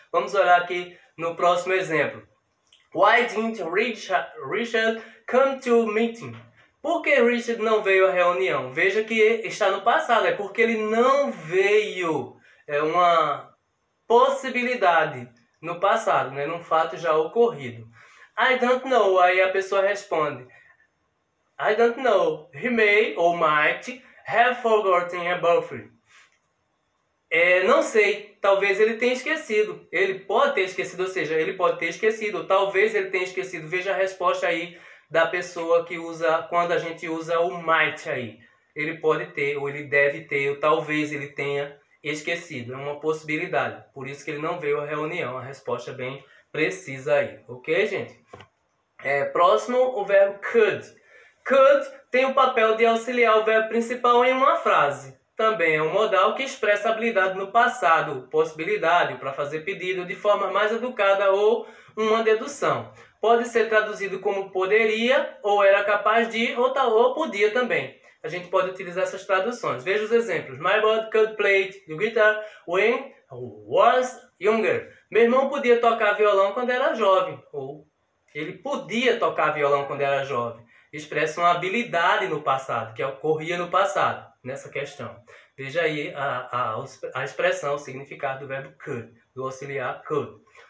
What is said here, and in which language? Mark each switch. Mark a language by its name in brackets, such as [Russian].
[Portuguese] Vamos olhar aqui no próximo exemplo. [English] Why didn't Richard come to meeting? [Portuguese] Por que Richard não veio à reunião? Veja que está no passado, é porque ele não veio. É uma possibilidade no passado, né? Num fato já ocorrido. [English] I don't know. [Portuguese] Aí a pessoa responde: [English] I don't know. He may or might have forgotten about me. [Portuguese] É, não sei. Talvez ele tenha esquecido. Ele pode ter esquecido, ou seja, ele pode ter esquecido. Talvez ele tenha esquecido. Veja a resposta aí da pessoa que usa, quando a gente usa o might aí. Ele pode ter, ou ele deve ter, ou talvez ele tenha esquecido. É uma possibilidade. Por isso que ele não veio à reunião. A resposta é bem precisa aí. Ok, gente? É, próximo, o verbo could. Could tem o papel de auxiliar o verbo principal em uma frase. Também é um modal que expressa habilidade no passado, possibilidade para fazer pedido de forma mais educada ou uma dedução. Pode ser traduzido como poderia, ou era capaz de, ou tal, ou podia também. A gente pode utilizar essas traduções. Veja os exemplos. [English] My brother could play the guitar when was younger. [Portuguese] Meu irmão podia tocar violão quando era jovem. Ou ele podia tocar violão quando era jovem. Expressa uma habilidade no passado, que ocorria no passado, nessa questão. Veja aí a expressão, o significado do verbo could, do auxiliar could.